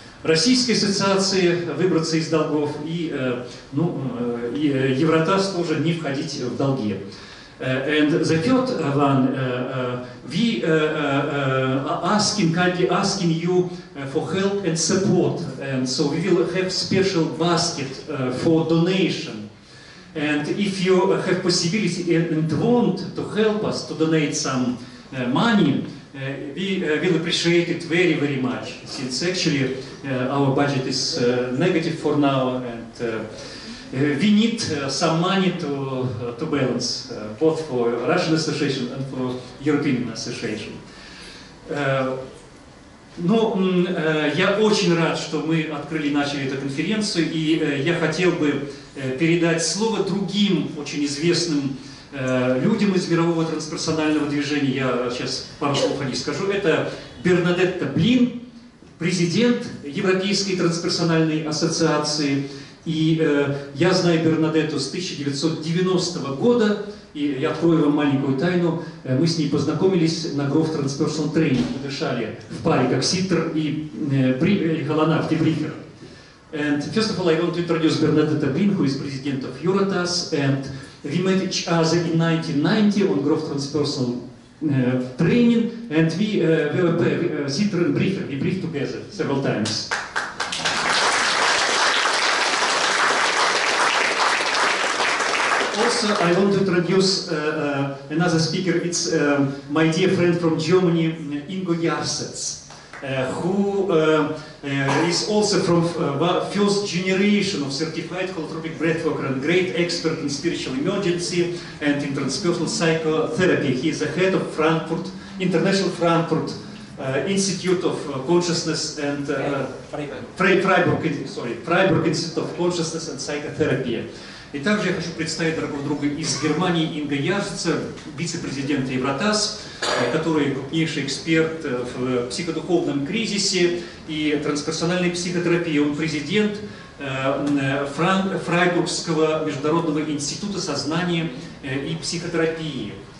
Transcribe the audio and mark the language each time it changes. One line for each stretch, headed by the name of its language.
Russian: Российской ассоциации выбраться из долгов и, ну, и Евротас тоже не входить в долги.
English: And the third one, we asking, can be asking you for help and support, and so we will have special basket for donation. And if you have possibility and want to help us to donate some money, we will appreciate it very, very much, since actually our budget is negative for now, and we need some money to balance both for Russian Association and for European Association.
Russian: Но я очень рад, что мы открыли, начали эту конференцию, и я хотел бы передать слово другим очень известным людям из мирового трансперсонального движения. Я сейчас пару слов о них скажу. Это Бернадетта Блин, президент Европейской трансперсональной ассоциации. И я знаю Бернадетту с 1990 года, и я открою вам маленькую тайну. Мы с ней познакомились на Growth Transpersonal Training. Мы дышали в паре, как Ситтер и Голанав, Дебрифер.
English: And first of all, I want to introduce Bernadette Blin, who is president of Eurotas, and we met each other in 1990 on Growth Transpersonal Training, and we were Ситтер and Брифер, we briefed together several times. Also, I want to introduce another speaker. It's my dear friend from Germany, Ingo Jarsetz, who is also from first generation of certified holotropic breathworker and great expert in spiritual emergency and in transpersonal psychotherapy. He is the head of Frankfurt International Frankfurt Institute of Consciousness and Freiburg Institute of Consciousness and Psychotherapy.
Russian: И также я хочу представить дорогого друга из Германии, Инга Ярцца, вице-президента Евротас, который крупнейший эксперт в психодуховном кризисе и трансперсональной психотерапии. Он президент Фрайбургского международного института сознания и психотерапии.